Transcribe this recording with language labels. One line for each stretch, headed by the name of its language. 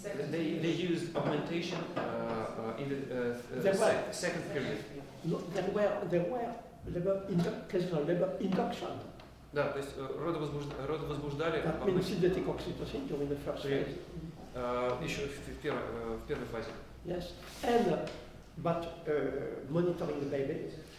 English: They used augmentation in the second period. No, there were labor induction, labor induction.
Russian: Да, то есть родовозбуждали.
English: That means synthetic oxytocin during the first phase.
Russian: Еще в первой фазе.
English: Yes, and but monitoring the baby.